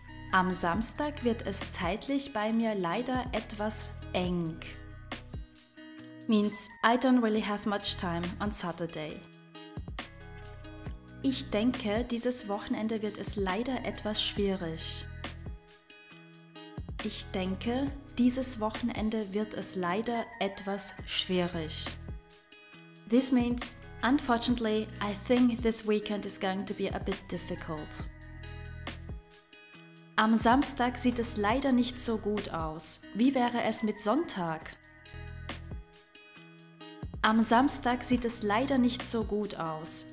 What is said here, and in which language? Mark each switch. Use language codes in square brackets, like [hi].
[de] Am Samstag wird es zeitlich bei mir leider etwas eng. [en] Means, I don't really have much time on Saturday. [de] Ich denke, dieses Wochenende wird es leider etwas schwierig. Ich denke, dieses Wochenende wird es leider etwas schwierig. [en] This means, unfortunately, I think this weekend is going to be a bit difficult. [de] Am Samstag sieht es leider nicht so gut aus. Wie wäre es mit Sonntag? Am Samstag sieht es leider nicht so gut aus.